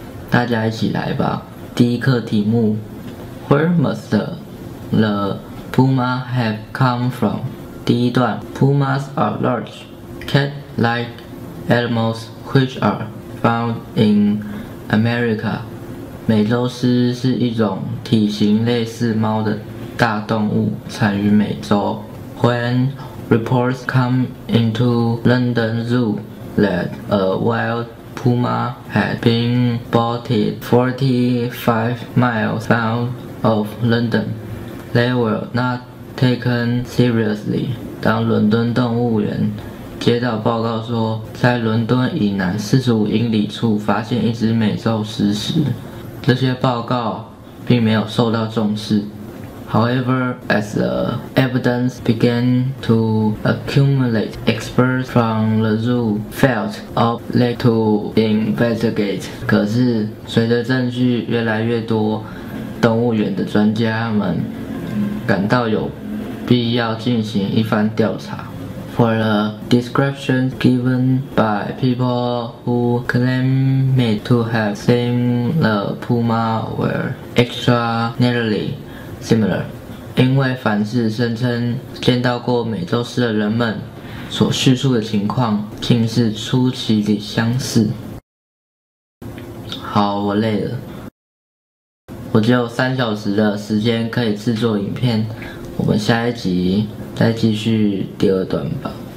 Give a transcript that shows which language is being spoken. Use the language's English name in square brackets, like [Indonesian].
[Chinese] 大家一起来吧。第一课题目 ： [English] Where must the puma have come from？ [Chinese] 第一段 [English] ：Pumas are large, cat-like animals. Which are found in America. [Chinese] 美洲狮是一种体型类似猫的大动物，产于美洲。 [English] When reports come into London Zoo that a wild puma had been spotted 45 miles south of London, they were not taken seriously. [Chinese] 当伦敦动物园接到报告说，在伦敦以南45英里处发现一只美洲狮时，这些报告并没有受到重视。 [English] However, as the evidence began to accumulate, experts from the zoo felt obliged to investigate. [Chinese] 可是，随着证据越来越多，动物园的专家们感到有必要进行一番调查。 [English] For the descriptions given by people who claimed to have seen the puma were extraordinarily similar. [Chinese] 因为凡是声称见到过美洲狮的人们所叙述的情况竟是出奇的相似。好，我累了。我只有3小时的时间可以制作影片，我们下一集再继续第二段吧。